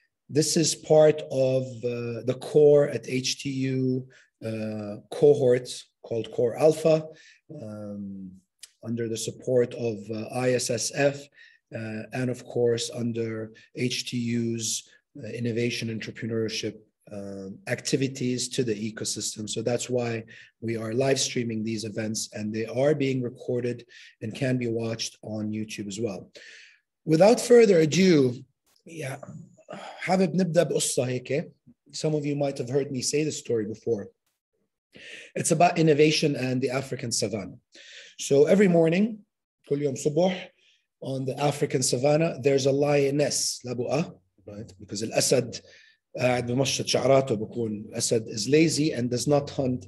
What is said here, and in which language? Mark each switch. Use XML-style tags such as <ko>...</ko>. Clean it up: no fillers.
<en>This is part of the core at HTU cohort called Core Alpha, under the support of ISSF, and of course under HTU's innovation entrepreneurship activities to the ecosystem. So that's why we are live streaming these events, and they are being recorded and can be watched on YouTube as well. Without further ado,</en> <ar>حابب نبدأ بقصة هيك.</ar> <en>Some of you might have heard me say this story before. It's about innovation and the African savannah. So every morning,</en> <ar>كل يوم صبح,</ar> <en>on the African savannah, there's a lioness, لبؤة. Right? Because</en> <ar>الأسد قاعد بمشط شعراته بكون أسد</ar> <en>is lazy and does not hunt.</en>